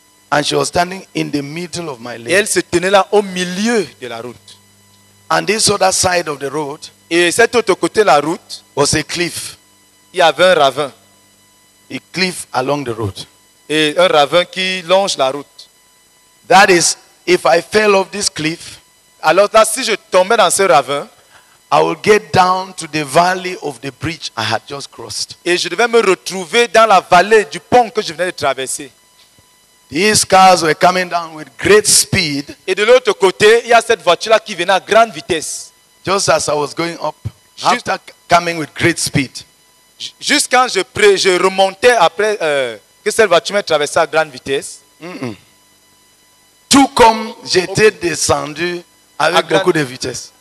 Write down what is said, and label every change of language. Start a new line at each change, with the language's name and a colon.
English: And she was standing in the middle of my lane.
French: Et elle se tenait là au milieu de la route.
English: And this other side of the road.
French: Et cet autre côté de la route.
English: Was a cliff.
French: Il y avait un ravin.
English: A cliff along the road.
French: Et un ravin qui longe la route.
English: That is, if I fell off this cliff.
French: Alors là, si je tombais dans ce ravin.
English: I will get down to the valley of the bridge I had just crossed.
French: Et je devais me retrouver dans la vallée du pont que je venais de traverser.
English: These cars were coming down with great speed.
French: Et de l'autre côté, il y a cette voiture-là qui venait à grande vitesse.
English: Just as I was going up, after coming with great speed.
French: Juste quand je remontais après que cette voiture m'ait traversé à grande vitesse. Mm-mm. Tout comme j'étais descendu avec beaucoup de vitesse.